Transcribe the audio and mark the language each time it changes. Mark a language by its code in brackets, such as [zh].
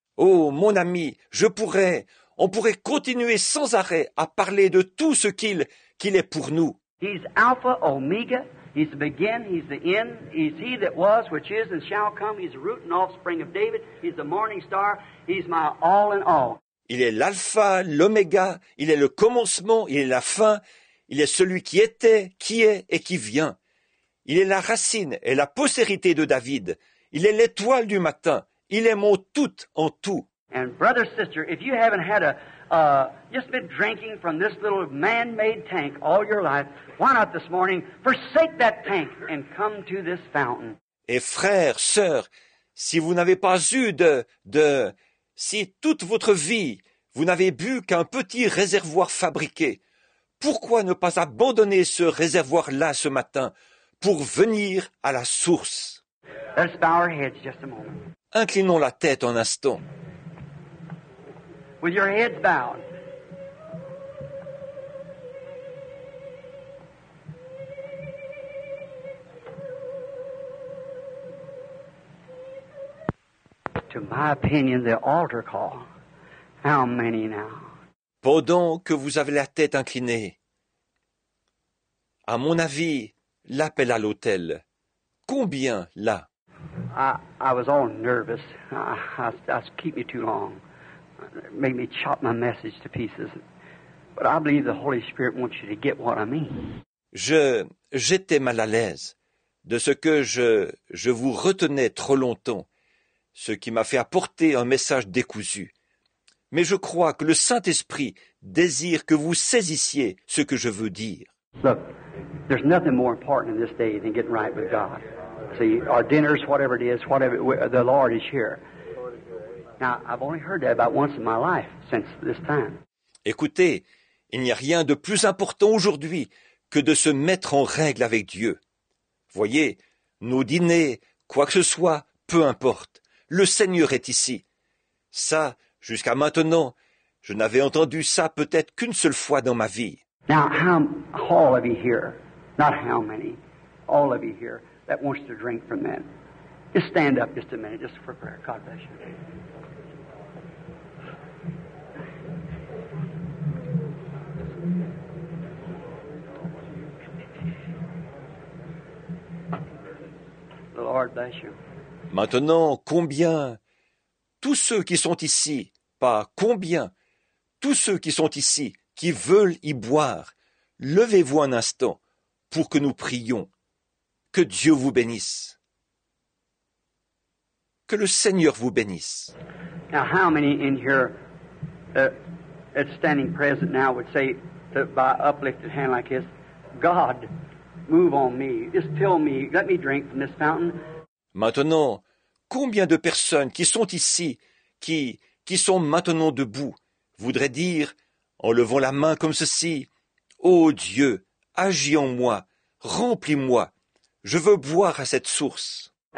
[fr] Oh, mon ami, on pourrait continuer sans arrêt à parler de tout ce qu'il est pour nous. [en] He's Alpha, Omega. He's the beginning, he's the end, he's he that was, which is, and shall come, he's the root and offspring of David, he's the morning star, he's my all in all. [fr] Il est l'alpha, l'oméga, il est le commencement, il est la fin, il est celui qui était, qui est et qui vient. Il est la racine et la postérité de David, il est l'étoile du matin, il est mon tout en tout. [en] And brother, sister, if you haven't had just been drinking from this little man-made tank all your life, why not this morning forsake that tank and come to this fountain? [fr] Et frère, sœur, si vous n'avez pas eu si toute votre vie, vous n'avez bu qu'un petit réservoir fabriqué, pourquoi ne pas abandonner ce réservoir-là ce matin pour venir à la source? [en] Let's bow our heads just a moment. [fr] Inclinons la tête un instant. [en] With your heads bowed. To my opinion, the altar call. How many now? [fr] Pendant que vous avez la tête inclinée, à mon avis, l'appel à l'autel. Combien là? [en] I was all nervous. I keep me too long. Made me chop my message to pieces. But I believe the Holy Spirit wants you to get what I mean. [fr] J'étais mal à l'aise de ce que je vous retenais trop longtemps, ce qui m'a fait apporter un message décousu. Mais je crois que le Saint-Esprit désire que vous saisissiez ce que je veux dire. [en] Look, there's nothing more important in this day than getting right with God. See, our dinners, whatever it is, whatever the Lord is here. Now, I've only heard that about once in my life since this time. [fr] Écoutez, il n'y a rien de plus important aujourd'hui que de se mettre en règle avec Dieu. Voyez, nos dîners, quoi que ce soit, peu importe, le Seigneur est ici. Ça, jusqu'à maintenant, je n'avais entendu ça peut-être qu'une seule fois dans ma vie. [en] Now, all of you here, not how many, all of you here that wants to drink from that. Just stand up just a minute, just for prayer. God bless you. The Lord bless you. [fr] Maintenant, combien, tous ceux qui sont ici, pas combien, tous ceux qui sont ici, qui veulent y boire, levez-vous un instant pour que nous prions. Que Dieu vous bénisse. Que le Seigneur vous bénisse. [en] Now, how many in here that's standing present now would say that by uplifted hand like this, God, move on me, just fill me, let me drink from this fountain? [fr] Maintenant, combien de personnes qui sont ici, qui sont maintenant debout, voudraient dire, en levant la main comme ceci, « Ô Dieu, agis en moi, remplis-moi, je veux boire à cette source. »